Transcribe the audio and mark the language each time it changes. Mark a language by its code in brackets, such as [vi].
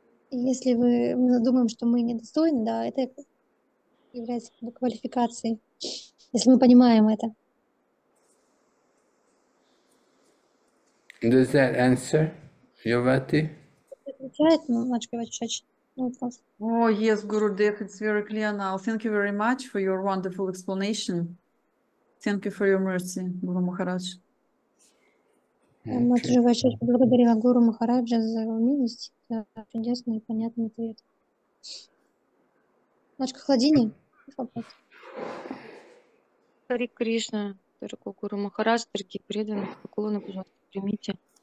[ru] И если вы, мы думаем, что мы недостойны, да, это является квалификацией, если мы понимаем это. [en] Does that answer, Yavati? [ru] Отвечает, Мачка Вачачач. [en] Oh, yes, Gurudev, it's very clear now. Thank you very much for your wonderful explanation. Thank you for your mercy, Guru Maharaj. [ru] Мы тоже очень благодарили Гуру Махараджа за его милость, за чудесный и понятный ответ. Машка Хладини, вопрос. Хари Кришна, дорогой Гуру Махарадж, дорогие преданные, поклоны, пожалуйста, примите.